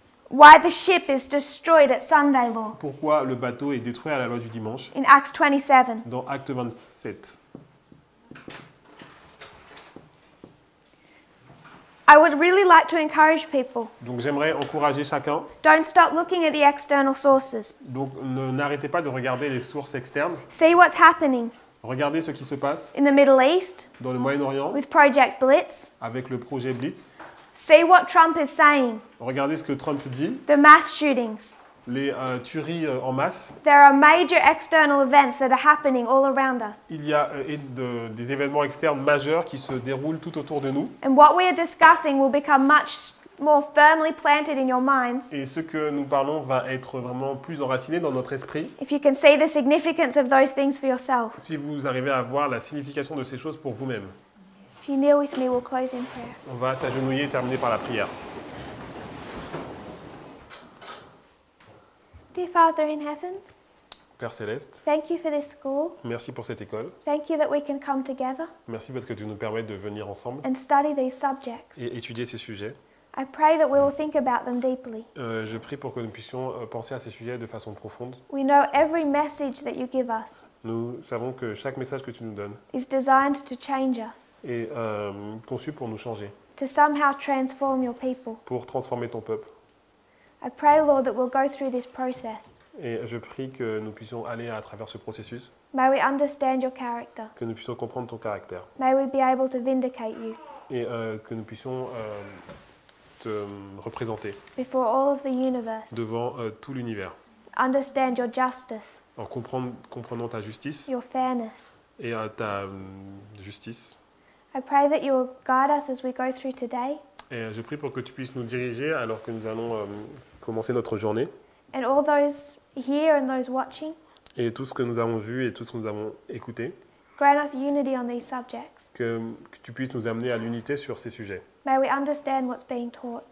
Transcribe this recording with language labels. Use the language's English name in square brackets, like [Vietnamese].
[English] Why the ship is destroyed at Sunday law? [French] Pourquoi le bateau est détruit à la loi du dimanche? [English] In Acts 27. [French] Dans Actes 27. [English] I would really like to encourage people. [French] Donc j'aimerais encourager chacun. [English] Don't stop looking at the external sources. [French] Donc n'arrêtez pas de regarder les sources externes. [English] See what's happening. [French] Regardez ce qui se passe. [English] In the Middle East. [French] Dans le Moyen-Orient. [English] With Project Blitz. [French] Avec le projet Blitz. [English] See what Trump is saying. [French] Regardez ce que Trump dit. [English] The mass shootings. [French] Les tueries en masse. [English] There are major external events that are happening all around us. [French] Il y a des événements externes majeurs qui se déroulent tout autour de nous. [English] And what we are discussing will become much more firmly planted in your minds. [French] Et ce que nous parlons va être vraiment plus enraciné dans notre esprit. [English] If you can see the significance of those things for yourself. [French] Si vous arrivez à voir la signification de ces choses pour vous-même. [English] If you kneel with me, we'll close in prayer. [French] On va s'agenouiller et terminer par la prière. [English] Dear Father in heaven. [French] Père céleste. [English] Thank you for this school. [French] Merci pour cette école. [English] Thank you that we can come together. [French] Merci parce que tu nous permets de venir ensemble. [English] And study these subjects. [French] Et étudier ces sujets. [English] I pray that we will think about them deeply. [French] Je prie pour que nous puissions penser à ces sujets de façon profonde. [English] We know every message that you give us. [French] Nous savons que chaque message que tu nous donnes. [English] Is designed to change us. [French] Est conçu pour nous changer. [English] To somehow transform your people. [French] Pour transformer ton peuple. [English] I pray, Lord, that we'll go through this process. [French] Et je prie que nous puissions aller à travers ce processus. [English] May we understand your character. [French] Que nous puissions comprendre ton caractère. [English] May we be able to vindicate you. [French] Et que nous puissions te représenter. [English] Before all of the universe. [French] Devant tout l'univers. [English] Understand your justice. [French] En comprenant ta justice. [English] Your fairness. [French] Et ta justice. [English] I pray that you will guide us as we go through today. [French] Et je prie pour que tu puisses nous diriger alors que nous allons commencer notre journée. [English] And all those here and those watching. [French] Et tout ce que nous avons vu et tout ce que nous avons écouté. [English] Grant us unity on these subjects. [French] Que tu puisses nous amener à l'unité sur ces sujets. [English] May we understand what's being taught.